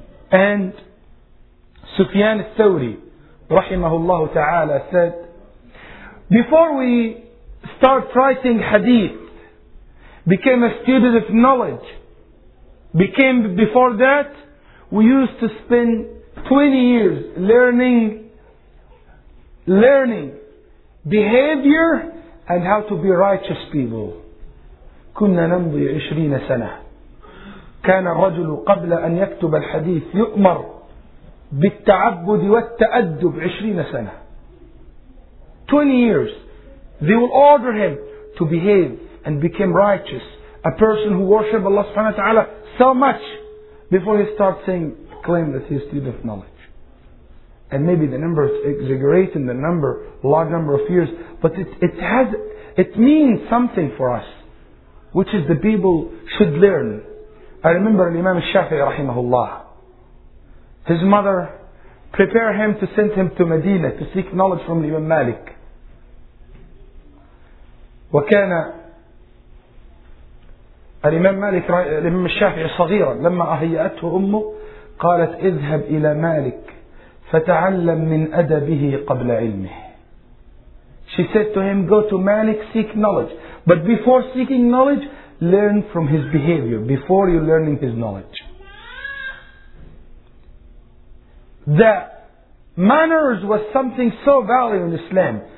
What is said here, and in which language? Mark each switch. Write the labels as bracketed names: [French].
[English] And Sufyan al-Thawri rahimahullah ta'ala said, before we start writing hadith, became a student of knowledge, became before that, we used to spend 20 years learning behavior and how to be righteous people. [Arabic] كنا نمضي 20 سنة. كان الرجل قبل أن يكتب الحديث يؤمر بالتعبد والتأدب 20 سنة. [English] 20 years. They will order him to behave and become righteous. A person who worship Allah subhanahu wa ta'ala so much. Before he starts saying, claim that he's a student of knowledge. And maybe the number is exaggerating, the number, large number of years, but it means something for us, which is the people should learn. I remember Imam Shafi'i rahimahullah. His mother prepared him to send him to Medina to seek knowledge from Imam Malik. [Arabic] وَكَانَ الإمام مالك الإمام الشافعي صغيرا لما أهيأته أمه قالت اذهب إلى مالك فتعلم من أدبه قبل علمه. [English] She said to him, go to Malik, seek knowledge. But before seeking knowledge, learn from his behavior before you learning his knowledge. The manners was something so valuable in Islam.